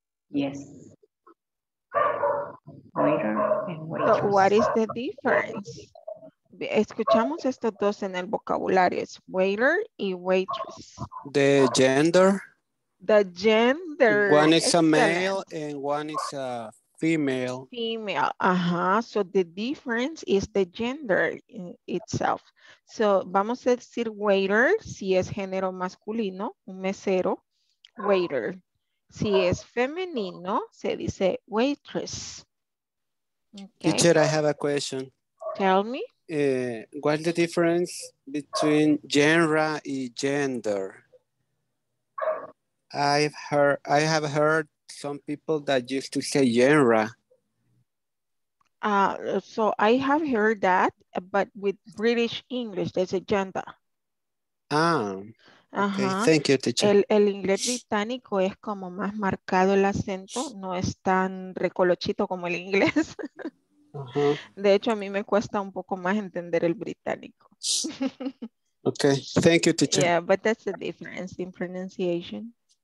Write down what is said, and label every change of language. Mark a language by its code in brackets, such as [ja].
[en] Yes. Waiter and waitress. So what is the difference? [es] Escuchamos estos dos en el vocabulario, es waiter y waitress. [en] The gender. The gender. One is a male and one is a female. Female, uh-huh. So the difference is the gender in itself. [es] So vamos a decir waiter si es género masculino, un mesero, waiter. Si es femenino, se dice waitress. [en] Okay. Teacher, I have a question. Tell me. What's the difference between genre and gender? I have heard some people that used to say genre. So I have heard that, but with British English, there's a gender. Ah, okay. Uh-huh. Thank you, teacher. [es] El inglés británico es como más marcado el acento, no es tan recolochito como el inglés. De hecho, a mí me cuesta un poco más entender el británico. [en] Okay, thank you, teacher. Yeah, but that's the difference in pronunciation.